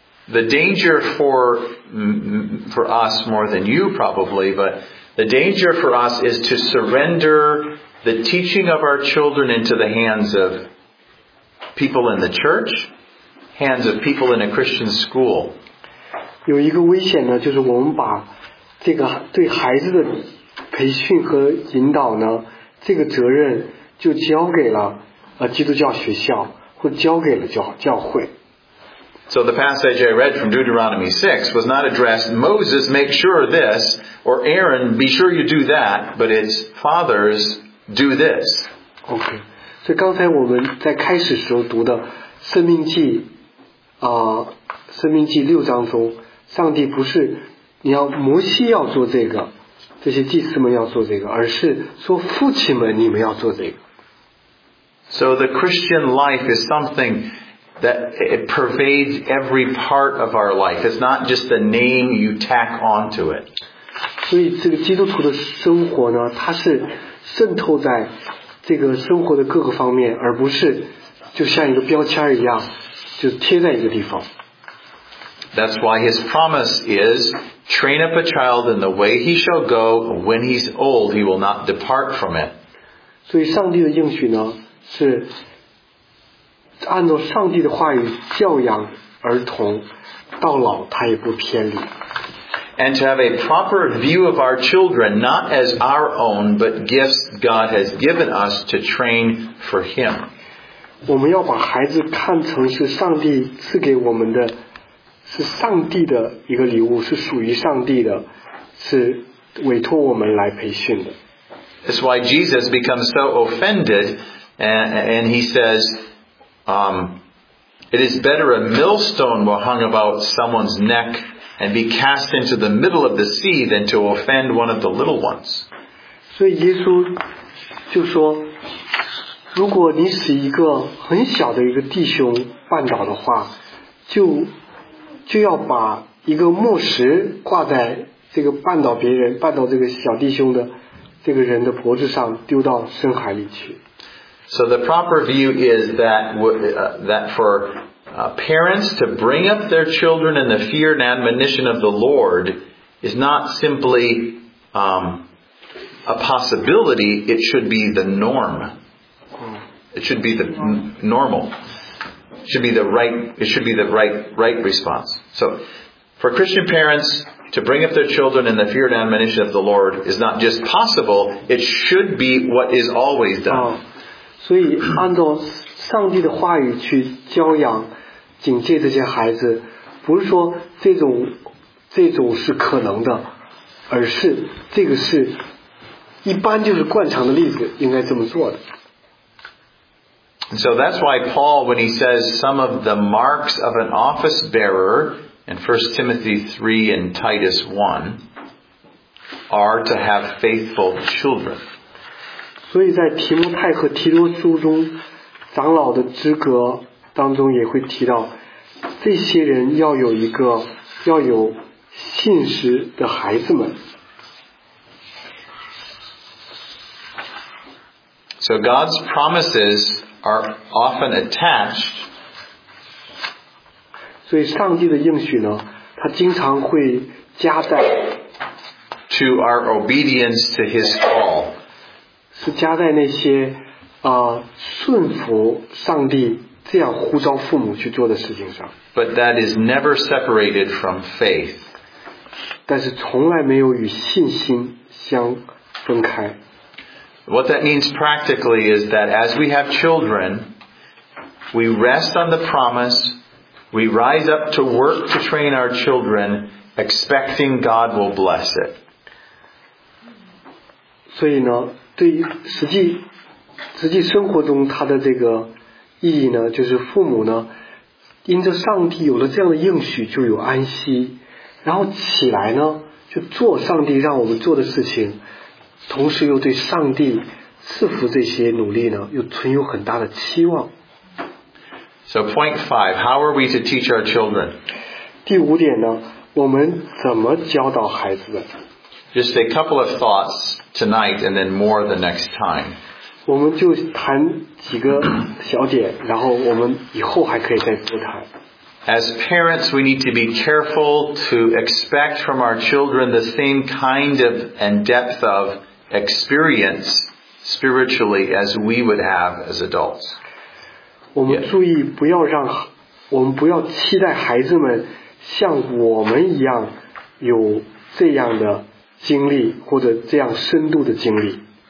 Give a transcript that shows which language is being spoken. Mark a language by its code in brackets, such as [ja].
[en] The danger for us, more than you probably, but the danger for us is to surrender the teaching of our children into the hands of people in the church. Hands of people in a Christian school. [zh] 有一个危险呢, 就是我们把这个对孩子的培训和引导呢, 这个责任就交给了, 基督教学校, 或交给了教会。 [en] So the passage I read from Deuteronomy 6 was not addressed, Moses, make sure this, or Aaron, be sure you do that, but it's fathers, do this. Okay. [zh] 所以刚才我们在开始时候读的, 生命记, 生命记六章中, 上帝不是, 你要, 摩西要做这个, 这些祭司们要做这个, 而是说父亲们, 你们要做这个。 [en] So the Christian life is something that it pervades every part of our life. It's not just the name you tack onto it. [zh] 所以这个基督徒的生活呢, 它是渗透在这个生活的各个方面, 而不是就像一个标签一样, 就贴在一个地方。 [en] That's why his promise is, Train up a child in the way he shall go. When he's old, he will not depart from it. [zh] 所以上帝的应许呢，是按照上帝的话语教养儿童，到老他也不偏离。 [en] And to have a proper view of our children, not as our own, but gifts God has given us to train for Him. [zh] 我们要把孩子看成是上帝赐给我们的，是上帝的一个礼物，是属于上帝的，是委托我们来培训的。 [en] That's why Jesus becomes so offended, and he says, it is better a millstone were hung about someone's neck and be cast into the middle of the sea than to offend one of the little ones. [zh] 所以耶稣就说，如果你使一个很小的一个弟兄绊倒的话，就要把一个磨石挂在这个绊倒别人，绊倒这个小弟兄的这个人的脖子上，丢到深海里去。 [en] So the proper view is that for parents to bring up their children in the fear and admonition of the Lord is not simply a possibility, it should be the norm. It should be the normal. It should be the right response. So for Christian parents to bring up their children in the fear and admonition of the Lord is not just possible, it should be what is always done. [zh] 所以按照上帝的话语去教养警戒这些孩子，不是说这种是可能的，而是这个是一般就是惯常的例子，应该这么做的。 [en] So that's why Paul, when he says some of the marks of an office bearer in 1 Timothy 3 and Titus 1, are to have faithful children. [zh] 所以在提摩太和提多书中，长老的资格当中也会提到。这些人要有一个要有信实的孩子们。 [en] So God's promises are often attached. [zh] 所以上帝的应许呢，他经常会加在 [en] to our obedience to His call. [zh] 是加在那些顺服上帝。这样呼召父母去做的事情上。 [en] But that is never separated from faith. [zh] 但是从来没有与信心相分开。 [en] What that means practically is that as we have children, we rest on the promise, we rise up to work to train our children, expecting God will bless it. [zh] 所以呢，对于实际生活中他的这个意义呢，就是父母呢，因着上帝有了这样的应许，就有安息，然后起来呢，就做上帝让我们做的事情，同时又对上帝赐福这些努力呢，又存有很大的期望。 [en] So point five, how are we to teach our children? [zh] 第五点呢，我们怎么教导孩子的 [en] ？Just a couple of thoughts tonight, and then more the next time. [zh] 我们就谈几个小点，然后我们以后还可以再多谈。 [en] As parents, we need to be careful to expect from our children the same kind of and depth of experience spiritually as we would have as adults. [zh] 我们注意不要让，我们不要期待孩子们像我们一样有这样的经历或者这样深度的经历。